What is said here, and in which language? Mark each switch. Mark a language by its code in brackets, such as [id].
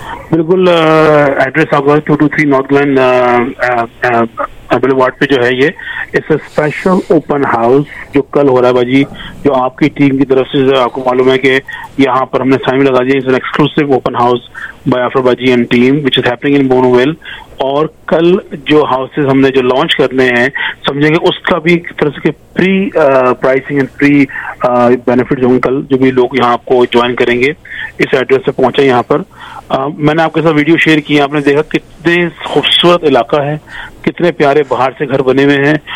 [ur] بالکل, address 223 north گلن بلوارڈ پہ جو ہے, یہ اسپیشل اوپن ہاؤس جو کل ہو رہا ہے بھاجی, جو آپ کی ٹیم کی طرف سے آپ کو معلوم ہے کہ یہاں پر ہم نے سائن لگا دیا. [en] اس exclusive open house by offer Bhaji and team which is happening in Bowman well. [ur] اور کل جو ہاؤسز ہم نے جو لانچ کرنے ہیں سمجھیں گے اس کا بھی ایک طرح سے [en] pre pricing and pre benefit [ur] ہوں کل جو بھی لوگ یہاں آپ کو جوائن کریں گے اس ایڈریس سے پہنچے یہاں پر. میں نے آپ کے ساتھ ویڈیو شیئر کی, آپ نے دیکھا کتنے خوبصورت علاقہ ہے, کتنے پیارے باہر سے گھر بنے ہوئے ہیں.